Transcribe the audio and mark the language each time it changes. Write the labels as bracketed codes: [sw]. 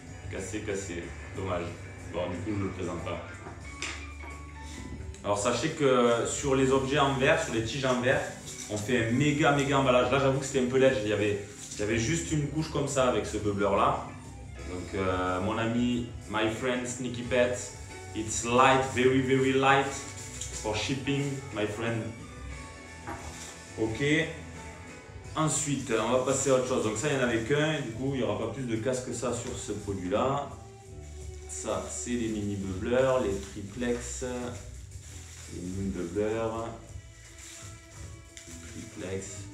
[fr] Cassé. Dommage. Bon, du coup, je ne le présente pas. Alors, sachez que sur les objets en verre, sur les tiges en verre, on fait un méga emballage. Là, j'avoue que c'était un peu léger. Il y avait juste une couche comme ça avec ce bubbler-là. Donc, mon ami, [en] my friend, Sneaky Pet, it's light, very, very light for shipping, my friend. Ok. [fr] Ensuite, on va passer à autre chose. Donc, ça, il n'y en avait qu'un. Du coup, il n'y aura pas plus de casse que ça sur ce produit-là. Ça, c'est les mini bubblers, les triplex, les mini bubblers, triplex.